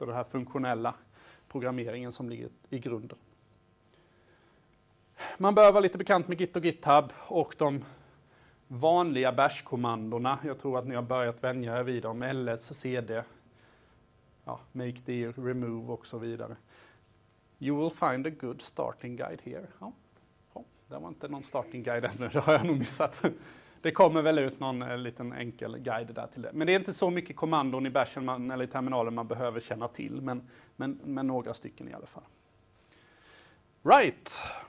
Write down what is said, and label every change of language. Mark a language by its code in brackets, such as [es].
[sv] Och den här funktionella programmeringen som ligger i grunden. Man behöver vara lite bekant med Git och GitHub och de vanliga bash-kommandorna. Jag tror att ni har börjat vänja er vid dem. ls, cd, ja, make, dir, remove och så vidare. [en] You will find a good starting guide here. [sv] Ja. Ja, det var inte någon starting guide ännu, det har jag nog missat. Det kommer väl ut någon liten enkel guide där till det. Men det är inte så mycket kommandon i bashen man, eller i terminalen man behöver känna till. Men några stycken i alla fall. Right.